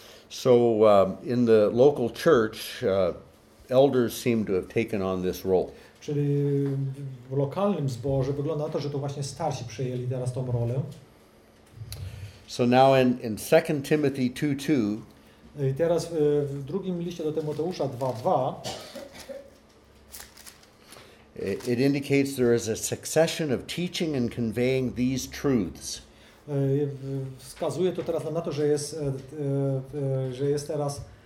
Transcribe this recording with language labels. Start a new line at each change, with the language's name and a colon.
English: So in the local church, elders seem to have taken on this role.
Polish: Czyli w lokalnym zborze wygląda na to, że to właśnie starsi przejęli teraz tą rolę.
English: So now in 2 Timothy 2:2.
Polish: I teraz w drugim liście do Tymoteusza 2:2.
English: It indicates there is a succession of teaching and conveying these truths.
Polish: Wskazuje to teraz na to, że jest teraz